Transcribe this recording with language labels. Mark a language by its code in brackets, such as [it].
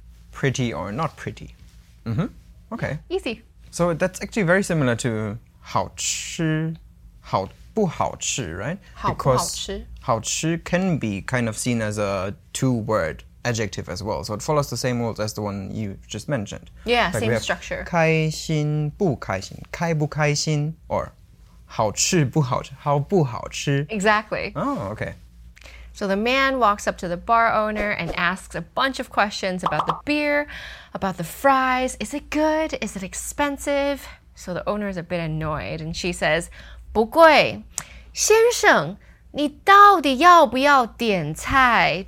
[en] Pretty or not pretty. Mm-hmm. Okay. Easy. So that's actually very similar to 好吃, [zh] 好不好吃, [en] right? [zh] 好不好吃. [en] Because 好吃 can be kind of seen as a two-word adjective as well. So it follows the same rules as the one you just mentioned. Yeah, like same structure. [zh] 开心不开心, 开不开心, or 好吃不好吃, 好不好吃. [en] Exactly. Oh, okay. So the man walks up to the bar owner and asks a bunch of questions about the beer,About the fries, is it good? Is it expensive? So the owner is a bit annoyed, and she says, 不贵。 [zh] 先生，你到底要不要点菜?